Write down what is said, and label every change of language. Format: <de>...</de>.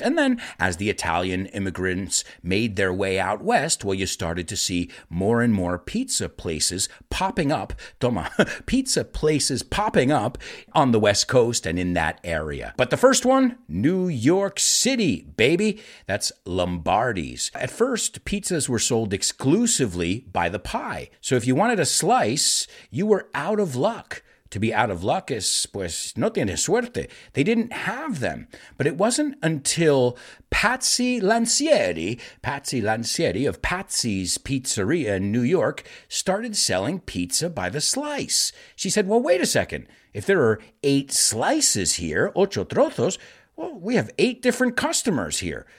<en>And then as the Italian immigrants made their way out west, well, you started to see more and more pizza places popping up, pizza places popping up on the West Coast and in that area. But the first one, New York City, baby, that's Lombardi's. At first, pizzas were sold exclusively by the pie. So if you wanted a slice, you were out of luck. To be out of luck is,</en> <es>pues, no tiene suerte.</es> <en>They didn't have them. But it wasn't until Patsy Lancieri of Patsy's Pizzeria in New York started selling pizza by the slice. She said, well, wait a second. If there are eight slices here,</en> <es>ocho trozos,</es> <en>well, we have eight different customers here.</en>